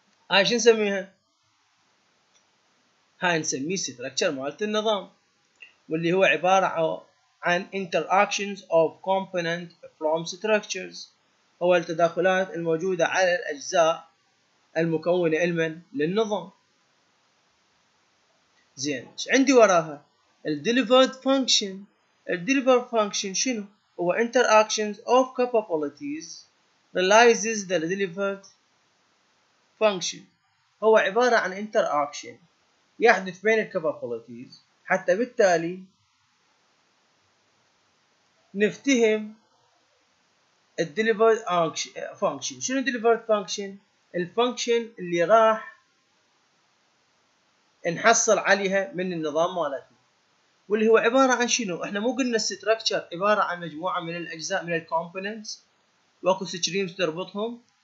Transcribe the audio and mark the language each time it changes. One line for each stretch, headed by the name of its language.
Arabic: هاي شو نسميها؟ هاي نسميه structure مالت النظام، واللي هو عبارة عن
English: interactions of component from structures،
Arabic: هو التداخلات الموجودة على الأجزاء المكونة المن للنظام. زين، عندي وراها الـ Delivered Function.
English: الـ Delivered Function
Arabic: شنو؟ هو
English: Interactions of Capabilities Realizes the Delivered Function.
Arabic: هو عبارة عن Interaction يحدث بين الـ Capabilities، حتى بالتالي نفتهم الديليفرد فانكشن. شنو الديليفرد فانكشن؟ الفانكشن اللي راح نحصل عليها من النظام مالتنا، واللي هو عبارة عن شنو؟ احنا مو قلنا الستركتشر عبارة عن مجموعة من الاجزاء من الكومبوننتس واكو ستريمز تربطهم.